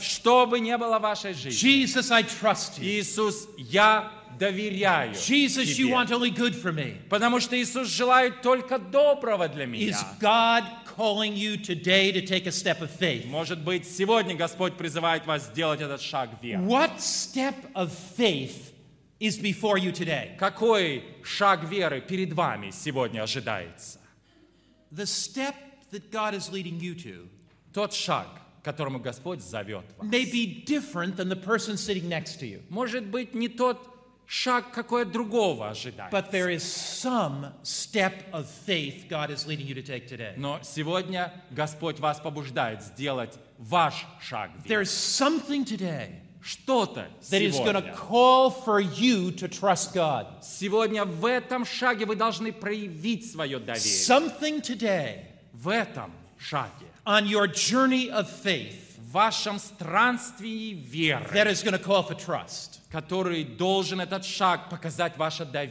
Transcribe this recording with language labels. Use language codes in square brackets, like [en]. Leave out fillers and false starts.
[ru] что бы ни было в вашей жизни, [en] Jesus, I trust you. [ru] Иисус, я доверяю [en] Jesus, [ru] тебе. [en] You want only good for me. [ru] Потому что Иисус желает только доброго для меня. [en] Is God calling you today to take a step of faith? [ru] Может быть, сегодня Господь призывает вас сделать этот шаг веры. [en] What step of faith is before you today? [ru] Какой шаг веры перед вами сегодня ожидается? [en] The step That God is leading you to. [ru] Тот шаг, к которому Господь зовет вас. [en] May be different than the person sitting next to you. [ru] Может быть не тот шаг, какой от другого ожидается. [en] But there is some step of faith God is leading you to take today. [ru] Но сегодня Господь вас побуждает сделать ваш шаг. [en] There is something today. [ru] Что-то [en] that [ru] сегодня. [en] Is going to call for you to trust God. [ru] Сегодня в этом шаге вы должны проявить свое доверие. [en] Something today. [ru] В этом шаге. [en] On your journey of faith. [ru] В вашем странствии веры. [en] That is going to call for trust. [ru] Который должен этот шаг показать ваше доверие.